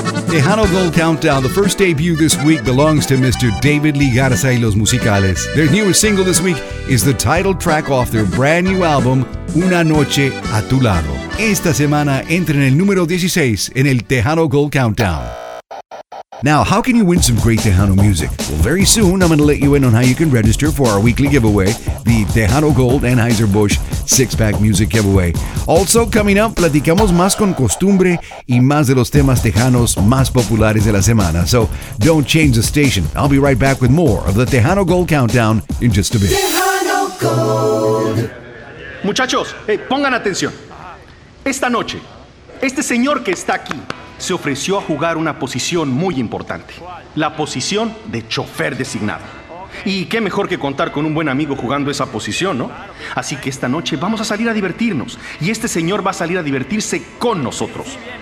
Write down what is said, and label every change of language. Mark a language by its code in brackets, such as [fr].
[en] Tejano Gold Countdown, the first debut this week belongs to Mr. David Lee Garza y Los Musicales. Their newest single this week is the title track off their brand new album, Una Noche a Tu Lado. [es] Esta semana entra en el número 16 en el Tejano Gold Countdown. [en] Now, how can you win some great Tejano music? Well, very soon, I'm going to let you in on how you can register for our weekly giveaway, the Tejano Gold Anheuser-Busch Six-Pack Music Giveaway. Also, coming up, [es] platicamos más con Costumbre y más de los temas tejanos más populares de la semana. [en] So, don't change the station. I'll be right back with more of the Tejano Gold Countdown in just a bit. Tejano Gold. [es] Muchachos, hey, pongan atención. Esta noche, este señor que está aquí se ofreció a jugar una posición muy importante. La posición de chofer designado. Y qué mejor que contar con un buen amigo jugando esa posición, ¿no? Así que esta noche vamos a salir a divertirnos. Y este señor va a salir a divertirse con nosotros.